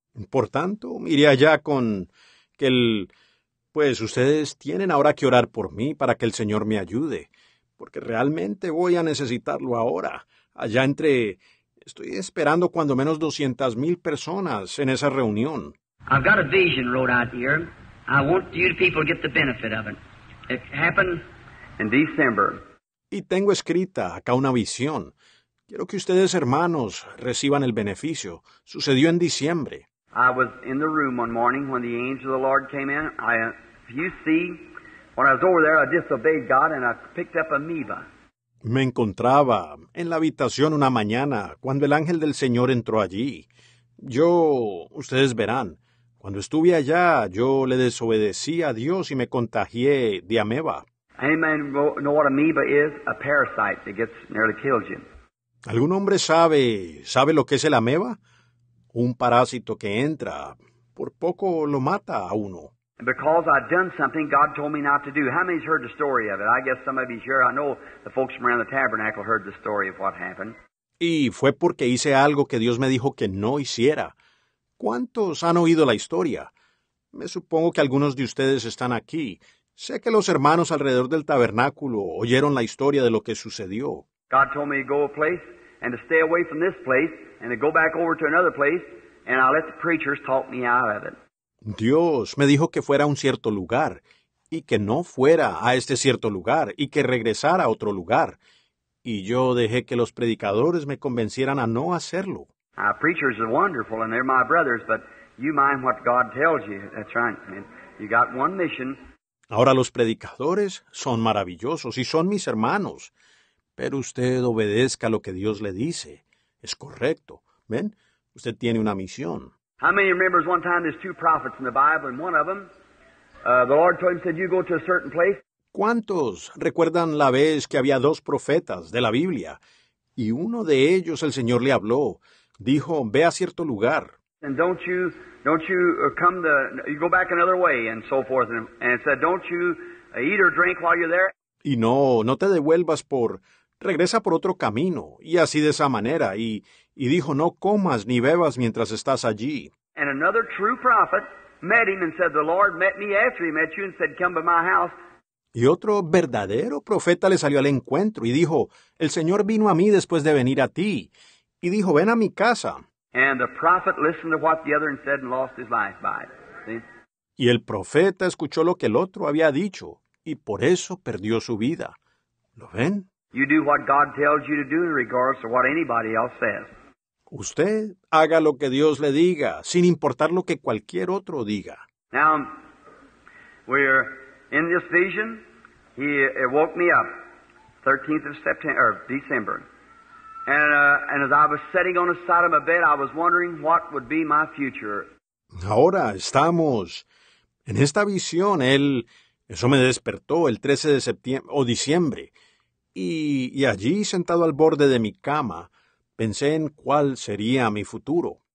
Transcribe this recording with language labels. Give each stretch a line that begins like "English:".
Spanish: por tanto, iré allá con que el, pues ustedes tienen ahora que orar por mí para que el Señor me ayude, porque realmente voy a necesitarlo ahora. Allá entre, estoy esperando cuando menos 200,000 personas en esa reunión.
English: I've got a vision wrote out here. I want you people to get the benefit of it. It happened in December.
Spanish: Y tengo escrita acá una visión. Quiero que ustedes, hermanos, reciban el beneficio. Sucedió en diciembre.
English: I was in the room one morning when the angel of the Lord came in. When I was over there, I disobeyed God and I picked up amoeba.
Spanish: Me encontraba en la habitación una mañana cuando el ángel del Señor entró allí. Yo, ustedes verán, cuando estuve allá, yo le desobedecí a Dios y me contagié de ameba.
English: Anybody know what amoeba is? A parasite that gets nearly kills you.
Spanish: ¿Algún hombre sabe lo que es el ameba? Un parásito que entra, por poco lo mata a uno.
English: Because I'd done something God told me not to do. How many's heard the story of it? I guess some of you sure. I know the folks from around the tabernacle heard the story of what happened.
Spanish: Y fue porque hice algo que Dios me dijo que no hiciera. ¿Cuántos han oído la historia? Me supongo que algunos de ustedes están aquí. Sé que los hermanos alrededor del tabernáculo oyeron la historia de lo que sucedió.
English: God told me to go a place and to stay away from this place and to go back over to another place and I let the preachers talk me out of it.
Spanish: Dios me dijo que fuera a un cierto lugar y que no fuera a este cierto lugar y que regresara a otro lugar. Y yo dejé que los predicadores me convencieran a no hacerlo.
English: Our preachers are wonderful and they're my brothers, but you mind what God tells you. That's right, man. You got one mission.
Spanish: Ahora los predicadores son maravillosos y son mis hermanos. Pero usted obedezca lo que Dios le dice. Es correcto. ¿Ven? Usted tiene una misión.
English: How many remembers one time there's two prophets in the Bible and one of them, the Lord told him, said, you go to a certain place?
Spanish: ¿Cuántos recuerdan la vez que había dos profetas de la Biblia? Y uno de ellos el Señor le habló. Dijo, ve a cierto lugar.
English: And don't you come to, you go back another way and so forth. And said, don't you eat or drink while you're there?
Spanish: Y no te devuelvas por, regresa por otro camino, y así de esa manera. Y dijo, no comas ni bebas mientras estás allí.
English: And another true prophet met him and said, the Lord met me after he met you and said, come to my house.
Spanish: Y otro verdadero profeta le salió al encuentro y dijo, el Señor vino a mí después de venir a ti. Y dijo, ven a mi casa.
English: And the prophet listened to what the other said and lost his life by it. See?
Spanish: Y el profeta escuchó lo que el otro había dicho. Y por eso perdió su vida. ¿Lo ven?
English: You do what God tells you to do in regards to what anybody else says.
Spanish: Usted haga lo que Dios le diga, sin importar lo que cualquier otro diga.
English: Now, we're in this vision. It woke me up, 13th of September, or December. And as I was sitting on the side of my bed, I was wondering what would be my future.
Spanish: Ahora estamos en esta visión, eso me despertó el 13 de septiembre o diciembre, y allí sentado al borde de mi cama, pensé en cuál sería mi futuro.